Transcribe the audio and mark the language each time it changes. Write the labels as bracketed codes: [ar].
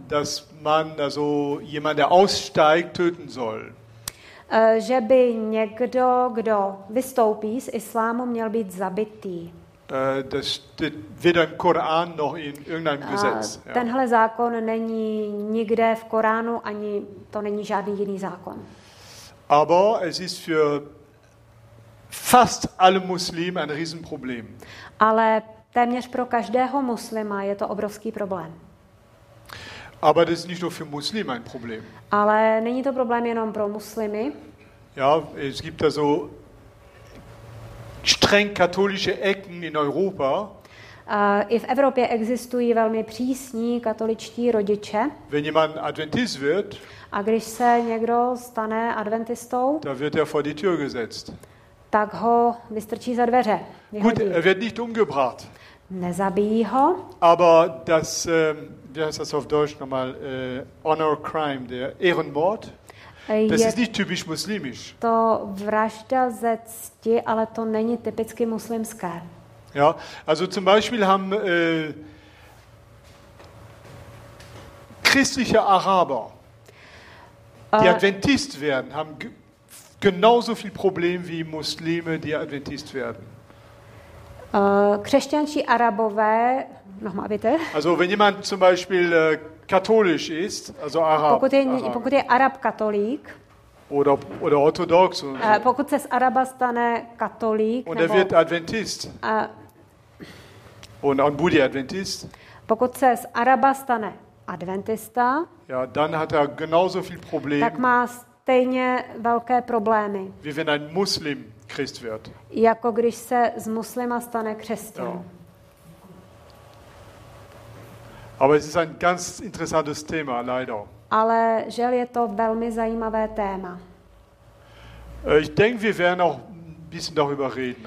[de] Dass man also jemanden, der aussteigt, töten soll. [cs] Že by někdo, kdo vystoupí z Islámu, měl být zabitý. [de] Das steht weder im Koran noch in irgendeinem Gesetz. [cs] Tenhle zákon není nikde v Koránu, ani to není žádný jiný zákon. [de] Aber es ist für fast alle Muslime ein Riesenproblem. [cs] Ale téměř pro každého muslima je to obrovský problém. [de] Aber das ist nicht nur für Muslime ein Problem. [cs] Ale není to problém jenom pro muslimy. [de] Ja, es gibt da so streng katolische Ecken in Europa. [cs] I v Evropě existují velmi přísní katoličtí rodiče. [de] Wenn jemand Adventist wird, [cs] a když se někdo stane adventistou, [de] da wird er vor die Tür gesetzt. [cs] Tak ho vystrčí za dveře. [de] Gut, er wird nicht umgebracht. [cs] Nezabijí ho. [de] Aber das, wie heißt das auf Deutsch nochmal, [en] honor crime, [de] der Ehrenmord. Das ist nicht typisch muslimisch. [cs] To vražda ze cti, ale to není typicky muslimské. [de] Ja, also zum Beispiel haben christliche Araber, die Adventist werden, haben genauso viel Problem wie Muslime, die Adventist werden. [cs] Křesťanští Arabové, [de] nochmal bitte. Also wenn jemand zum Beispiel katholisch ist, also Arab. [cs] Pokud je Arab katolík. [de] Oder orthodox. So. [cs] Pokud se z Araba stane katolík. [de] Und nebo, wird Adventist. Und Budi Adventist. [cs] Pokud se z Araba stane adventista. [de] Ja, dann hat er genauso viel Problem. [cs] Tak má stejně velké problémy. [de] Wie wenn ein Muslim Christ wird. [cs] Jako když se z muslima stane křesťan. [de] Ja. Aber es ist ein ganz interessantes Thema, leider. [cs] Ale žel je to velmi zajímavé téma. [de] Ich denke, wir werden auch ein bisschen darüber reden.